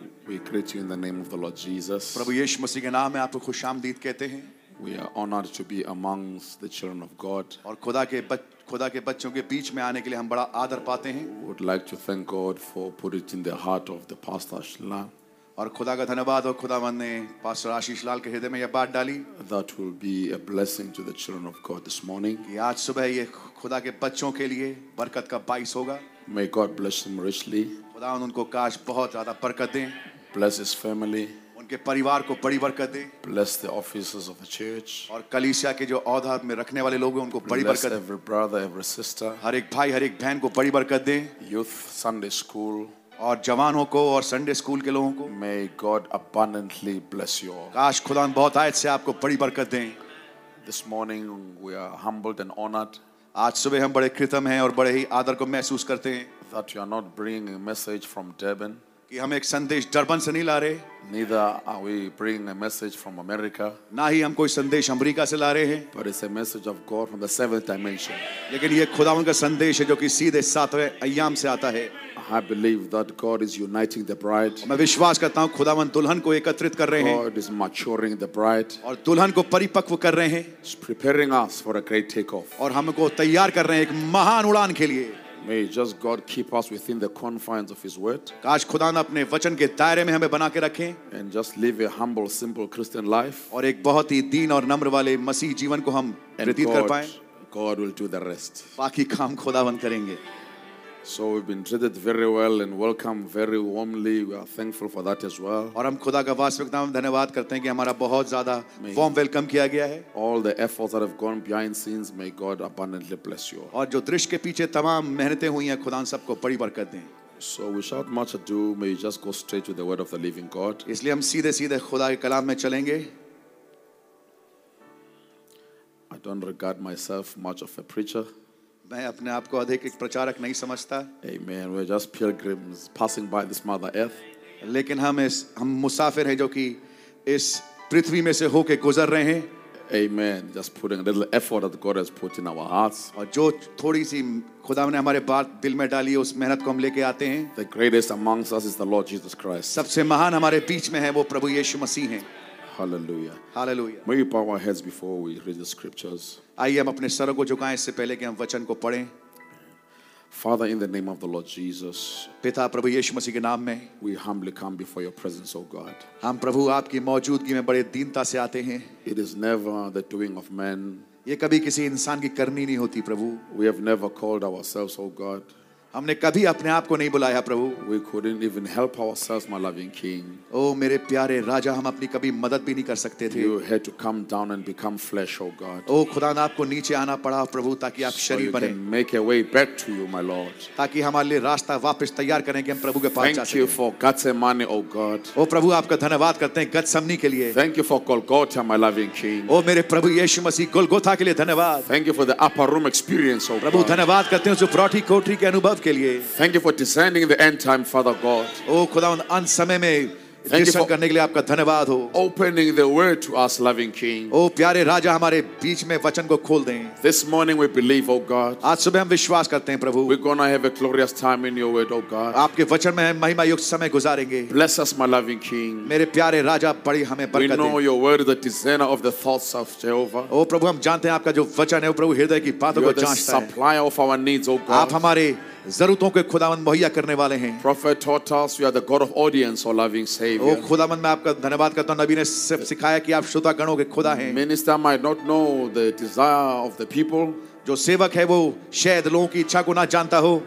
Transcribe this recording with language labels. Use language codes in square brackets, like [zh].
[en] We greet you in the name of the Lord Jesus. [hi] प्रभु यीशु मसीह के नाम में आपको खुशामदीद कहते हैं. [en] We are honored to be amongst the children of God. [hi] और खुदा के बच्चों के बीच में आने के लिए हम बड़ा आदर पाते हैं. [en] Would like to thank God for putting in the heart of the pastor Shila. [hi] और खुदा का धन्यवाद और खुदा ने पास्टर आशीष लाल के हृदय में यह बात डाली. [en] That will be a blessing to the children of God this morning. [hi] कि आज सुबह ये खुदा के बच्चों के लिए बरकत का बाइस होगा. [en] May God bless them richly. [hi] खुदा उनको काश बहुत ज्यादा बरकत दें. [en] Bless his family. [hi] उनके परिवार को बड़ी बरकत दें. [en] Bless the officers of the church. [hi] और कलीसिया के जो औधार में रखने वाले लोग हैं उनको बड़ी बरकत दें. [en] Every brother, every sister. [hi] हर एक भाई हर एक बहन को बड़ी बरकत दें. [en] Youth Sunday school. [hi] और जवानों को और संडे स्कूल के लोगों को. [en] May God abundantly bless you all. [hi] काश खुदा बहुत आयत से आपको बड़ी बरकत दें. [en] This morning we are humbled and honored. [hi] आज सुबह हम बड़े कृतम हैं और बड़े ही आदर को महसूस करते हैं. [en] That you are not bringing a message from Durban. [hi] कि हम एक संदेश डरबन से नहीं ला रहे. [en] Neither are we bringing a message from America. [hi] ना ही हम कोई संदेश अमेरिका से ला रहे हैं. [en] But it's a message of God from the seventh dimension. [hi] लेकिन ये खुदावन का संदेश है जो कि सीधे सातवें अय्याम से आता है. [en] I believe that God is uniting the bride. [hi] मैं विश्वास करता हूँ खुदावन दुल्हन को एकत्रित कर रहे हैं. [en] God is maturing the bride. [hi] और दुल्हन को परिपक्व कर रहे हैं. [en] He's preparing us for a great takeoff. [hi] और हमको तैयार कर रहे हैं एक महान उड़ान के लिए. [en] May just God keep us within the confines of His word. [hi] काश खुदा ने अपने वचन के दायरे में हमें बना के रखें. [en] And just live a humble, simple Christian life. [hi] और एक बहुत ही दीन और नम्र वाले मसीह जीवन को हम प्रतीत कर पाएं. [en] God will do the rest. [hi] बाकी काम खुदावन करेंगे. [en] So we've been treated very well and welcomed very warmly. We are thankful for that as well. [hi] और हम खुदा का वास्तविक नाम धन्यवाद करते हैं कि हमारा बहुत ज़्यादा [en] warm welcome [hi] किया गया है. [en] All the efforts that have gone behind scenes, may God abundantly bless you. [hi] और जो दृश्य के पीछे तमाम मेहनतें हुई हैं, खुदा सबको बड़ी बरकत दें. [en] So without much ado, may you just go straight to the word of the living God. [hi] इसलिए हम सीधे खुदा के कलाम में चलेंगे. [en] I don't regard myself much of a preacher. [hi] मैं अपने आप को अधिक एक प्रचारक नहीं समझता. [en] Amen. We're just pilgrims passing by this mother earth. [hi] लेकिन हम मुसाफिर हैं जो कि इस पृथ्वी में से होके गुजर रहे हैं. [en] Amen. Just putting a little effort that God has put in our hearts. [hi] और जो थोड़ी सी खुदा ने हमारे बात दिल में डाली है उस मेहनत को हम लेके आते हैं. [en] The greatest amongst us is the Lord Jesus Christ. [hi] सबसे महान हमारे बीच में है वो प्रभु यीशु मसीह हैं. [en] Hallelujah. [hi] Hallelujah. [en] May you bow our heads before we read the scriptures. [hi] आइए हम अपने सरों को झुकाएं इससे पहले कि हम वचन को पढ़ें. [en] Father, in the name of the Lord Jesus. [hi] पिता प्रभु यीशु मसीह के नाम में. [en] We humbly come before your presence, O God. [hi] हम प्रभु आपकी मौजूदगी में बड़े दीनता से आते हैं. [en] It is never the doing of man. [hi] ये कभी किसी इंसान की करनी नहीं होती प्रभु. [en] We have never called ourselves, O God. [hi] हमने कभी अपने आप को नहीं बुलाया प्रभु. [en] We couldn't even help ourselves, my loving King. [hi] ओ मेरे प्यारे राजा, हम अपनी कभी मदद भी नहीं कर सकते थे. [en] You had to come down and become flesh, oh God. [hi] ओ खुदा, आपको नीचे आना पड़ा प्रभु ताकि आप शरीर बने. [en] So you can make a way back to you, my Lord. [hi] ताकि हमारे लिए रास्ता वापस तैयार करें कि हम प्रभु के पास जा सकें. [en] Thank you for Gethsemane, oh God. [hi] ओ प्रभु, आपका धन्यवाद करते हैं गतसमनी के लिए. [en] Thank you for Golgotha, my loving King. [hi] ओ मेरे प्रभु यीशु मसीह, गोलगोथा के लिए धन्यवाद. [en] Thank you for the upper room experience, oh [hi] प्रभु, धन्यवाद करते हैं उस उपरोटी कोठरी के अनुभव. [en] Thank you for descending the end time, Father God. [hi] Oh, खुदा उन अंत समय में निश्चय करने के लिए आपका धन्यवाद हो. [en] Opening the word to us, loving King. [hi] Oh, प्यारे राजा, हमारे बीच में वचन को खोल दें. [en] This morning we believe, oh God. [hi] आज सुबह हम विश्वास करते हैं प्रभु. [en] We're gonna have a glorious time in your word, oh God. [hi] आपके वचन में महिमा युक्त समय गुजारेंगे. [en] Bless us, my loving King. [hi] मेरे प्यारे राजा, बड़ी हमें बरकत दें. [en] We know your word is the designer of the thoughts of Jehovah. [hi] Oh, प्रभु, हम जानते हैं आपका जो वचन है वो प्रभु हृदय की बातों को जांचता है. [en] You're the supplier of our needs, oh God. [hi] आप हमारे जरूरतों के खुदावंद मुहैया करने वाले हैं. [en] Prophet taught us you are the God of audience, O loving Savior. [hi] ओ खुदावंद, मैं आपका धन्यवाद करता हूँ. नबी ने सिखाया कि आप श्रोता गणों के खुदा हैं. [en] Minister might not know the desire of the people. [hi] जो सेवक है वो शायद लोगों की इच्छा को ना जानता हो.